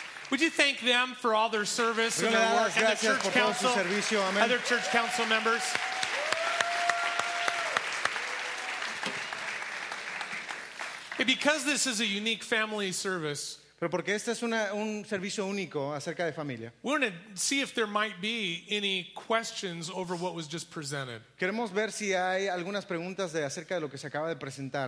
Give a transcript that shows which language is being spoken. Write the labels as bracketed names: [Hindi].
[English] Would you thank them for all their service and their work, and the church council, other church council members? Hey, because this is a unique family service, [Spanish] pero porque este es un servicio único acerca de familia, [English] we're going to see if there might be any questions over what was just presented. [Spanish] Queremos ver si hay algunas preguntas de acerca de lo que se acaba de presentar.